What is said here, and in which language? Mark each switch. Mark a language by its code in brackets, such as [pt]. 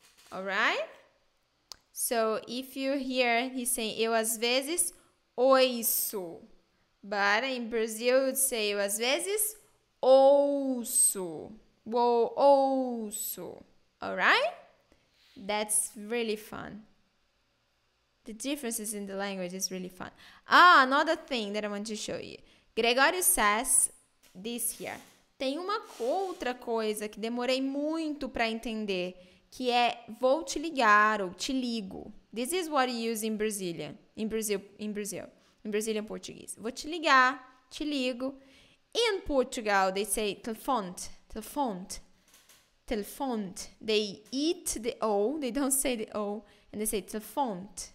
[en] All right? So if you hear he's saying [pt] eu às vezes ouço, [en] but in Brazil you'd say eu às vezes ouço. Well, ouço. All right? That's really fun. The differences in the language is really fun. Ah, another thing that I want to show you. Gregório says this here. [pt] Tem uma outra coisa que demorei muito para entender, que é vou te ligar ou te ligo. [en] This is what you use in Brazilian, in Brazil, in Brazil, in Brazilian Portuguese. [pt] Vou te ligar, te ligo. [en] In Portugal, they say telefone, telefone, telefone. They eat the O, they don't say the O, and they say telefone.